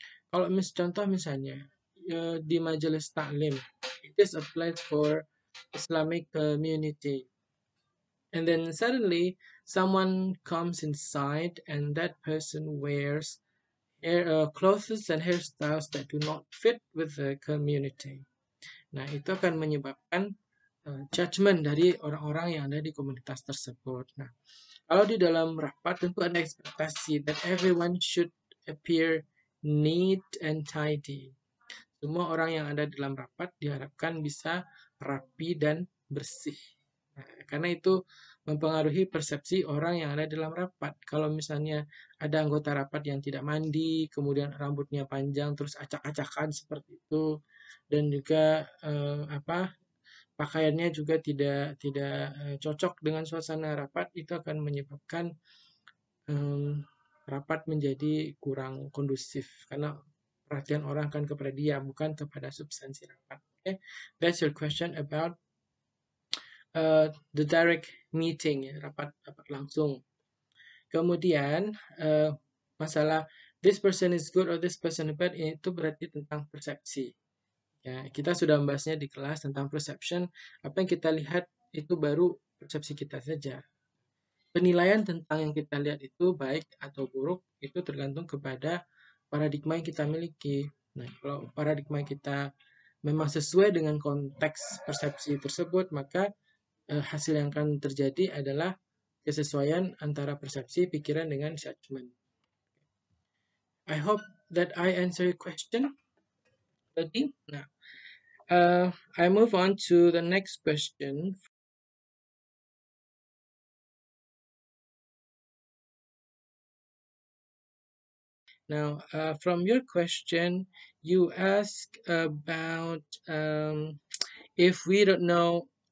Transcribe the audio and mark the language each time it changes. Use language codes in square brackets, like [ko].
[id] Kalau contoh misalnya, di majelis taklim, [en] it is a place for Islamic community. And then suddenly, someone comes inside and that person wears clothes and hairstyles that do not fit with the community. [id] Nah, itu akan menyebabkan judgment dari orang-orang yang ada di komunitas tersebut. Nah, kalau di dalam rapat tentu ada ekspektasi [en] that everyone should appear neat and tidy. [id] Semua orang yang ada dalam rapat diharapkan bisa rapi dan bersih. Nah, karena itu mempengaruhi persepsi orang yang ada dalam rapat. Kalau misalnya ada anggota rapat yang tidak mandi, kemudian rambutnya panjang, terus acak-acakan seperti itu, dan juga pakaiannya juga tidak cocok dengan suasana rapat, itu akan menyebabkan rapat menjadi kurang kondusif karena perhatian orang akan kepada dia, bukan kepada substansi rapat. [en] Okay? That's your question about the direct meeting, [id] ya, rapat langsung. Kemudian, masalah [en] this person is good or this person bad, [id] itu berarti tentang persepsi. Ya, kita sudah membahasnya di kelas tentang perception. Apa yang kita lihat itu baru persepsi kita saja. Penilaian tentang yang kita lihat itu baik atau buruk, itu tergantung kepada paradigma yang kita miliki. Nah, kalau paradigma kita memang sesuai dengan konteks persepsi tersebut, maka hasil yang akan terjadi adalah kesesuaian antara persepsi, pikiran, dengan judgment. [en] I hope that I answer your question. [id] Tadi, nah, [en] I move on to the next question. Now, from your question, you ask about if we don't know.